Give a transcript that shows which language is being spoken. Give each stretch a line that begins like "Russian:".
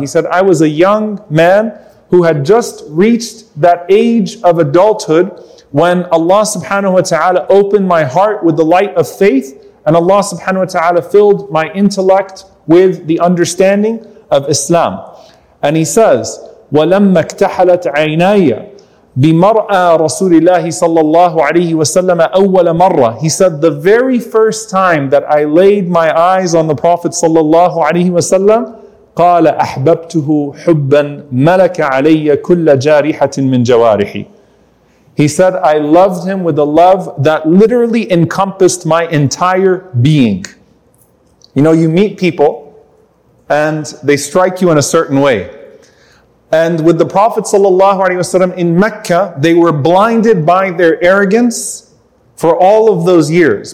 English: He said, I was a young man who had just reached that age of adulthood when Allah subhanahu wa ta'ala opened my heart with the light of faith, and Allah subhanahu wa ta'ala filled my intellect with the understanding of Islam. And he says,
Arabic: وَلَمَّا اكْتَحَلَتْ عَيْنَايَ بِمَرْأَى رَسُولِ اللَّهِ صَلَّى اللَّهُ عَلَيْهِ وَسَلَّمَ أَوَّلَ مَرَّةٍ.
English: He said, the very first time that I laid my eyes on the Prophet sallallahu alayhi wa sallam,
Arabic: قال أحببته حبا ملك علي كل جارحة من جوارحي.
English: He said, I loved him with a love that literally encompassed my entire being. You know, you meet people and they strike you in a certain way. And with the Prophet ﷺ in Mecca, they were blinded by their arrogance for all of those years.